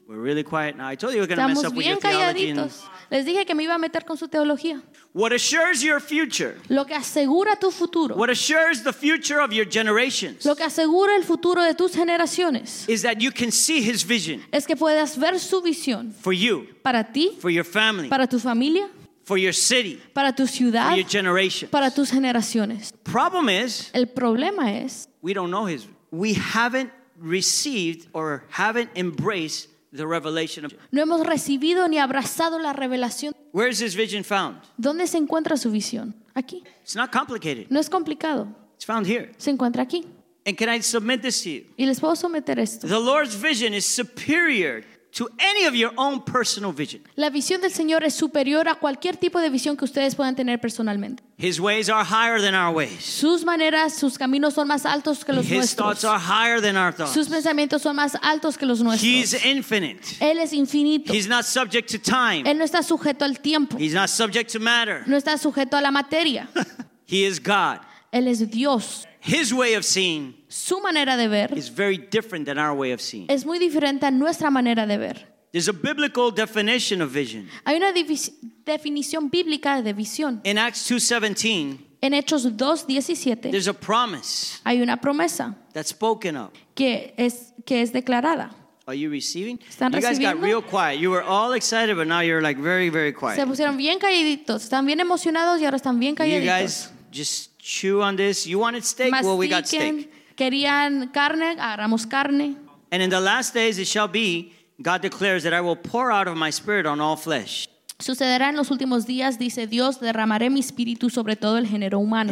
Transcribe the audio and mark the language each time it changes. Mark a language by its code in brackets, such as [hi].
[en] We're really quiet now. I told you we're going to mess up with your theology. [es] Les dije que me iba a meter con su teología. [en] What assures your future? [es] Lo que asegura tu futuro. [en] What assures the future of your generations? [es] Lo que asegura el futuro de tus generaciones. [en] Is that you can see his vision? [es] Es que puedas ver su visión. [en] For you. [es] Para ti. [en] For your family. [es] Para tu familia. [en] For your city. [es] Para tu ciudad. [en] For your generations. [es] Para tus generaciones. [en] Problem is. [es] El problema es. [en] We don't know his. We haven't received or haven't embraced the revelation of. [es] No hemos recibido ni abrazado la revelación. [en] Where is his vision found? [es] ¿Dónde se encuentra su visión? Aquí. [en] It's not complicated. [es] No es complicado. [en] It's found here. [es] Se encuentra aquí. [en] And can I submit this to you? [es] ¿Y les puedo someter esto? [en] The Lord's vision is superior to any of your own personal vision. [es] La visión del Señor es superior a cualquier tipo de visión que ustedes puedan tener personalmente. [en] His ways are higher than our ways. [es] Sus maneras, sus caminos son más altos que los [en] His [es] nuestros. [en] Thoughts are higher than our thoughts. [es] Sus pensamientos son más altos que los nuestros. [en] He's infinite. [es] Él es infinito. [en] He's not subject to time. [es] Él no está sujeto al tiempo. [en] He's not subject to matter. [es] No está sujeto a la materia. [en] He is God. [es] Él es Dios. [en] His way of seeing. [es] Su manera de ver [en] is very different than our way of seeing. [es] Es muy diferente a nuestra manera de ver. [en] There's a biblical definition of vision. [es] Hay una definición bíblica de visión. [en] In Acts 2:17, [es] en Hechos 2:17, [en] there's a promise. [es] Hay una promesa. [en] That's spoken of. [es] Que es declarada. [en] Are you receiving? [es] ¿Están [en] you [es] recibiendo? [en] You guys got real quiet. You were all excited, but now you're like very, very quiet. [es] Se pusieron bien calladitos. Están bien emocionados y ahora están bien calladitos. [en] You guys just chew on this. You wanted steak? [es] Mastiquen. [en] Well, we got steak. [es] Querían carne, agarramos carne. [en] And in the last days it shall be, God declares, that I will pour out of my spirit on all flesh. [es] Sucederá en los últimos días, dice Dios, derramaré mi espíritu sobre todo el género humano.